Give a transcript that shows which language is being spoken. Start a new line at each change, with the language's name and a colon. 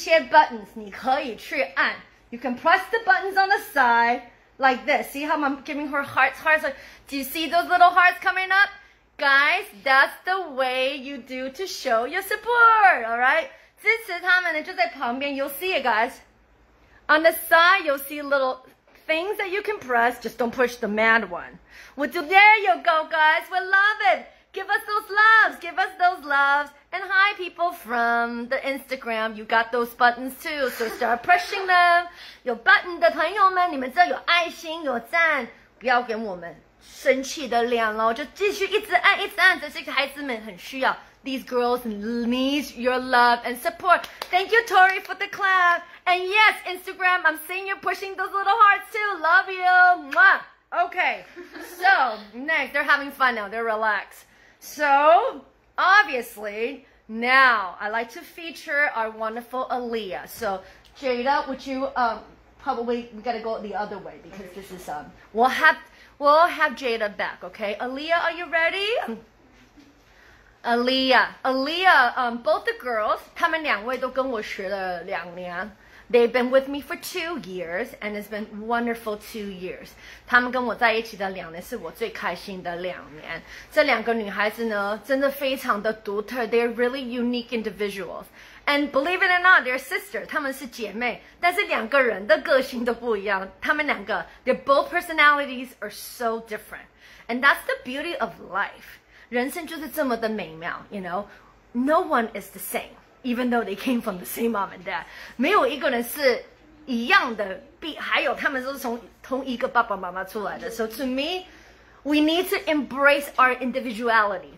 English: buttons
Chinese: 你可以去按
English: you can press the buttons on the side like this see how I'm giving her hearts like, do you see those little hearts coming up guys that's the way you do to show your support all right
Chinese: 支持他们呢就在旁边
English: you'll see it guys on the side you'll see little things that you can press just don't push the mad one would you there you go guys we love it give us those loves And hi, people from the Instagram. You got those buttons too, so start pushing them.
Chinese: 有 button 的朋友们，你们知道有爱心、有赞，不要给我们生气的脸喽，就继续一直按、一直按。这些孩子们很需要。
English: These girls need your love and support. Thank you, Tori, for the clap. And yes, Instagram, I'm seeing you pushing those little hearts too. Love you. Mwah. Okay. So next, they're having fun now. They're relaxed. So. Obviously, now I'd like to feature our wonderful Aaliyah. So, Jada, would you, probably, we gotta go the other way because this is, we'll have Jada back, okay? Aaliyah, are you ready? Aaliyah, both the girls,
Chinese: 他们两位都跟我学了两年。
English: They've been with me for 2 years, and it's been wonderful 2 years.
Chinese: 他们跟我在一起的两年是我最开心的两年。这两个女孩子呢，真的非常的独特。
English: They're really unique individuals. And believe it or not, they're sisters.
Chinese: 他们是姐妹，但是两个人的个性都不一样。他们两个
English: their both personalities are so different. And that's the beauty of life.
Chinese: 人生就是这么的美妙
English: you know. No one is the same. Even though they came from the same mom and dad.
Chinese: 没有一个人是一样的还有他们都是从同一个爸爸妈妈出来的。
English: So to me, we need to embrace our individuality.